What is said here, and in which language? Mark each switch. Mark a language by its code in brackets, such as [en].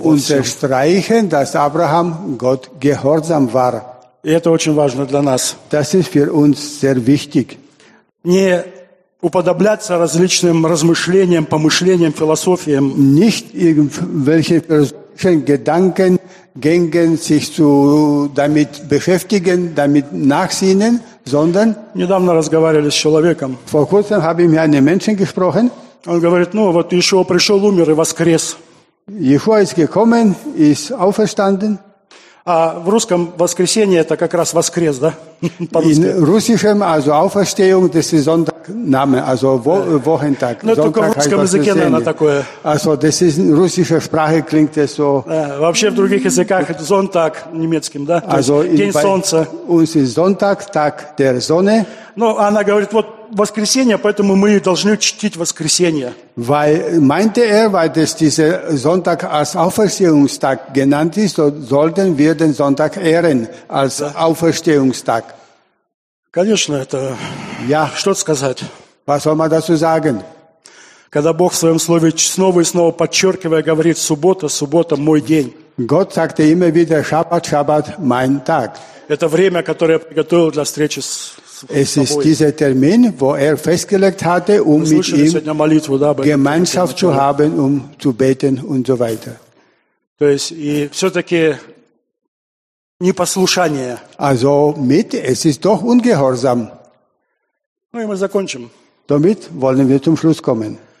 [de] Unterstreichen, dass Abraham Gott gehorsam war. [ru] И это очень важно для нас. [de] Das ist für uns sehr wichtig. [ru] Не уподобляться различным размышлениям, помышлениям, философиям. [de] Nicht irgendwelche Gedanken gängen sich zu damit beschäftigen, damit nachsinnen, sondern [ru] недавно разговаривали с человеком. [de] Vor kurzem habe ich mit einem Menschen gesprochen. [ru] Он говорит, ну вот Иешуа пришел, умер и воскрес. [de] Иешуа ist gekommen, ist auferstanden. [ru] А в русском воскресенье это как раз воскрес, да? [de] In russischem also Auferstehung, das ist Sonntagname, also Wochentag. [ru] Ну только в русском языке наверное такое. [de] Also das ist in russischer Sprache klingt es so. [ru] Вообще в других языках это Sonntag немецким, да? [de] Also [ru] день солнца. [de] Uns ist Sonntag, Tag der Sonne. [ru] Ну она говорит, вот воскресенье, поэтому мы должны чтить воскресенье. [de] Weil, meinte er, weil das dieser Sonntag als Auferstehungstag genannt ist, so sollten wir den Sonntag ehren als Auferstehungstag. [ru] Конечно, это... [de] Ja. [ru] Что сказать? [de] Was soll man dazu sagen? [ru] Когда Бог в своем слове снова и снова подчеркивая, говорит, суббота, суббота, мой день. [de] Gott sagte immer wieder, Schabbat, Schabbat, mein Tag. [ru] Это время, которое я приготовил для встречи с... [de] Es ist dieser Termin, wo er festgelegt hatte, um mit ihm [ru] молитву, да, [de] Gemeinschaft zu haben, um zu beten und so weiter. [ru] То есть, и все-таки непослушание. [de] Also mit, es ist doch ungehorsam. [ru] Ну, и мы закончим. [de] Damit wollen wir zum Schluss kommen.